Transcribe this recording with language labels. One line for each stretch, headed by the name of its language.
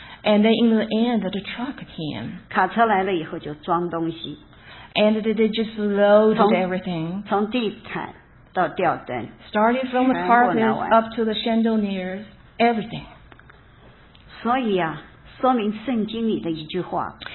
English: And then in the end, the truck came.
Chinese: 卡车来了以后就装东西
English: And they just loaded everything.
Chinese: 从地毯到吊灯
English: Starting from the carpet up to the chandeliers, everything.
Chinese: 所以啊，说明圣经里的一句话